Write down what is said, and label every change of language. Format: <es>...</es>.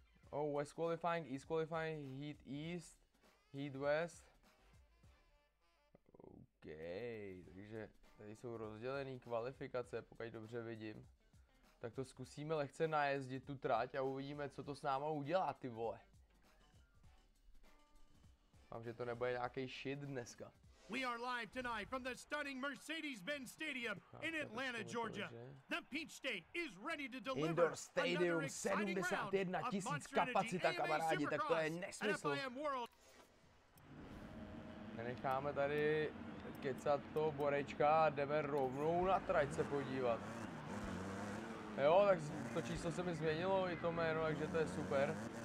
<en>Oh, West qualifying, East qualifying, Heat East, Heat West.</en> <cs>OK, takže tady jsou rozdělený kvalifikace, pokud dobře vidím. Tak to zkusíme lehce najezdit tu trať a uvidíme, co to s náma udělá, ty vole. Mám, že to nebude nějaký shit dneska.</cs> <en>We are live tonight from the stunning Mercedes-Benz Stadium in Atlanta, Georgia. The Peach State is ready to deliver another exciting round of Monster Energy AMA Supercross at FIM World.</en> <cs>Nenecháme tady kecat toho borečka a jdeme rovnou na trať se podívat. Jo, tak to číslo se mi změnilo i to jméno, takže to je super.</cs>